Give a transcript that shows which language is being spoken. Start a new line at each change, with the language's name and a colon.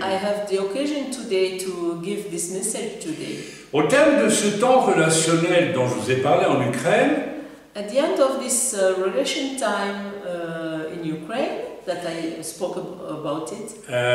English: I have the occasion today to give this message today.
French: Au terme de ce temps relationnel dont je vous ai parlé en Ukraine.
English: At the end of this relation time in Ukraine, that I spoke about it.